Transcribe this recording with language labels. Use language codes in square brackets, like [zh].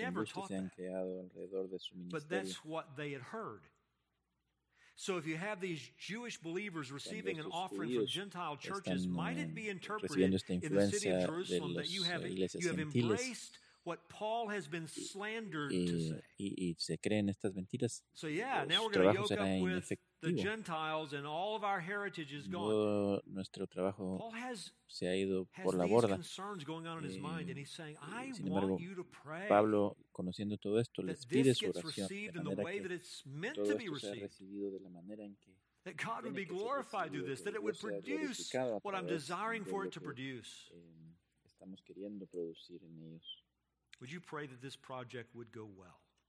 [es] indios se han creado alrededor de su ministerio. [en] So if you have these Jewish believers receiving an offering from Gentile churches, might it be interpreted in the city of Jerusalem that you have embraced what Paul has been slandered to say? [es] Y se creen estas mentiras. [en] So yeah, now we're going to yoke up with the Gentiles and all of our heritage is gone. [es] Nuestro trabajo se ha ido por la borda. Sin embargo, Pablo, conociendo todo esto, les pide su oración de manera que todo esto sea recibido de la manera en que [en] That God would be glorified through this, that it would produce what I'm desiring for it to produce. [es] Estamos queriendo producir en ellos. [en] Would you pray that this project would go well?